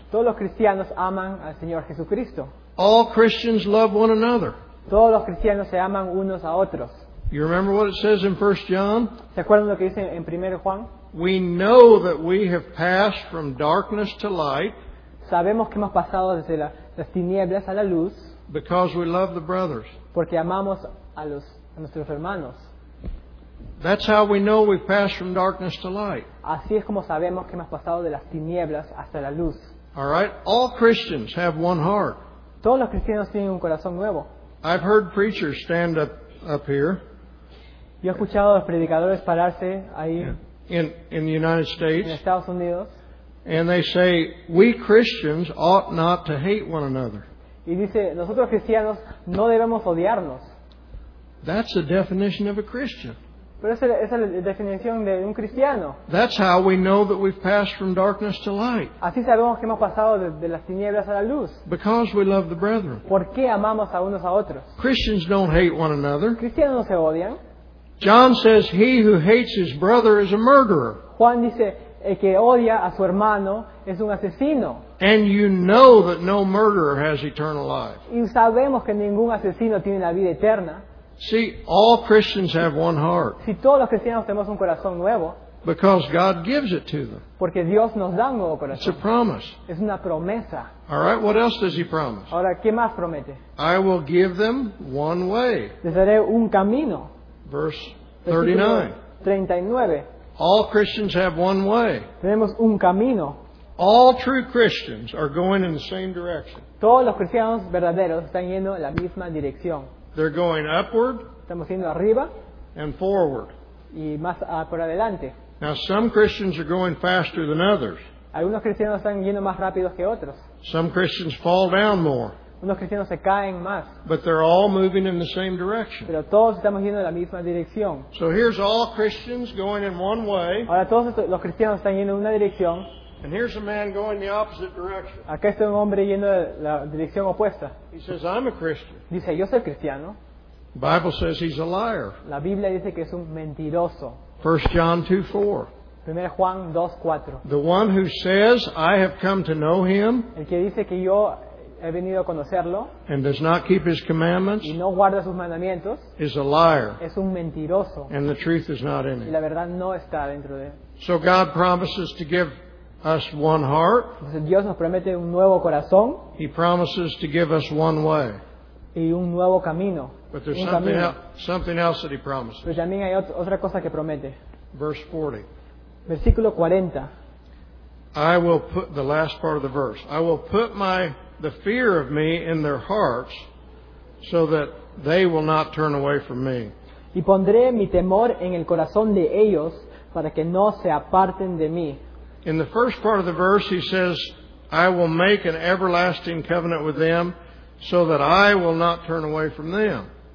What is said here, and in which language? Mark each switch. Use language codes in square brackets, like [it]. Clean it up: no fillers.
[es] Todos los cristianos aman al Señor Jesucristo. [en] All Christians love one another. [es] Todos los cristianos se aman unos a otros. [en] You remember what it says in 1 John? [es] ¿Se acuerdan lo que dice en 1 Juan? [en] We know that we have passed from darkness to light. [es] Sabemos que hemos pasado desde las tinieblas a la luz. [en] Because we love the brothers. [es] Porque amamos a nuestros hermanos. [en] That's how we know we've passed from darkness to light. [es] Así es como sabemos que hemos pasado de las tinieblas hasta la luz. [en] All right, all Christians have one heart. [es] Todos los cristianos tienen un corazón nuevo. [en] I've heard preachers stand up here. [es] Yo he escuchado a los predicadores pararse ahí. [en] In the United States. [es] En Estados Unidos. [en] And they say, we Christians ought not to hate one another. [es] Y dice, nosotros cristianos no debemos odiarnos. [en] That's the definition of a Christian. [es] Pero esa es la definición de un cristiano. [en] That's how we know that we've passed from darkness to light. [es] Así sabemos que hemos pasado de las tinieblas a la luz. [en] Because we love the brethren. [es] Porque amamos a unos a otros. [en] Christians don't hate one another. [es] Cristianos no se odian. [en] John says he who hates his brother is a murderer. [es] Juan dice el que odia a su hermano es un asesino. [en] And you know that no murderer has eternal life. [es] Y sabemos que ningún asesino tiene la vida eterna. [en] See, all Christians have one heart. [es] Si todos los cristianos tenemos un corazón nuevo. [en] Because God gives it to them. [es] Porque Dios nos da un nuevo corazón. [en] It's a promise. [es] Es una promesa. [en] All right, what else does he promise? [es] Ahora, ¿qué más promete? [en] I will give them one way. [es] Les daré un camino. [en] Verse 39. All Christians have one way. [es] Tenemos un camino. [en] All true Christians are going in the same direction. [es] Todos los cristianos verdaderos están yendo en la misma dirección. [en] They're going upward. [es] Estamos yendo arriba. [en] And forward. [es] Y más por adelante. [en] Now some Christians are going faster than others. [es] Algunos cristianos están yendo más rápido que otros. [en] Some Christians fall down more. [es] Unos cristianos se caen más. [en] But they're all moving in the same direction. [es] Pero todos estamos yendo en la misma dirección. [en] So here's all Christians going in one way. [es] Ahora todos estos, los cristianos están yendo en una dirección. [en] And here's a man going the opposite direction. [es] Acá está un hombre yendo en la dirección opuesta. [en] He says, I'm a Christian. [es] Dice, yo soy cristiano. [en] The Bible says he's a liar. [es] La Biblia dice que es un mentiroso. [en] 1 John 2:4. [es] Primera Juan 2:4. [en] The one who says, I have come to know him. [es] El que dice que yo he venido a conocerlo. [en] And does not keep his commandments. [es] Y no guarda sus mandamientos. [en] Is a liar. [es] Es un mentiroso. [en] And the truth is not in him. [es] Y la verdad no está dentro de él. [en] So God promises to give us one heart. [es] Entonces Dios nos promete un nuevo corazón. [en] He promises to give us one way. [es] Y un nuevo camino. [en] But there's something else that he promises. [es] Pero también hay otra cosa que promete. [en] Verse 40. [es] Versículo 40. [en] I will put the last part of the verse. I will put the fear of me in their hearts, so that they will not turn away from me. [es] Y pondré mi temor en el corazón de ellos para que no se aparten de mí. [en] In the first part of the verse, he says, "I will make an everlasting covenant with them, so that I will not turn away from them."